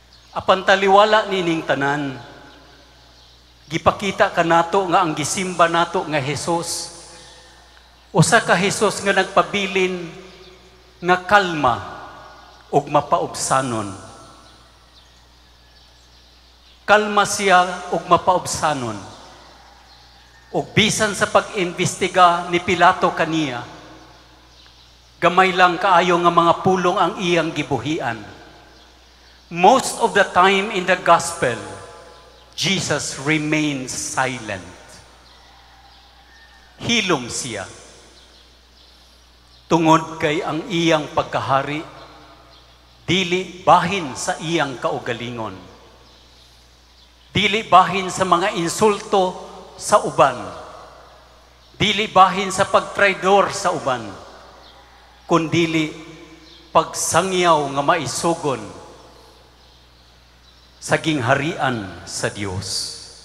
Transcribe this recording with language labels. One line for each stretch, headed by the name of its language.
Cebuano: Apan taliwala nining tanan, gipakita ka nato nga ang gisimba nato nga Hesus, usa ka Hesus nga nagpabilin nga kalma ug mapaubsanon. Kalma siya ug mapaubsanon. Ug bisan sa pag-imbestiga ni Pilato kaniya, gamay lang kaayo nga mga pulong ang iyang gibuhian.
English: Most of the time in the gospel, Jesus remains silent.
Cebuano: Hilom siya. Tungod kay ang iyang pagkahari, dili bahin sa iyang kaugalingon. Dili bahin sa mga insulto sa uban. Dili bahin sa pagtraidor sa uban. Kundili pagsangyaw nga maisugon sa gingharian sa Dios.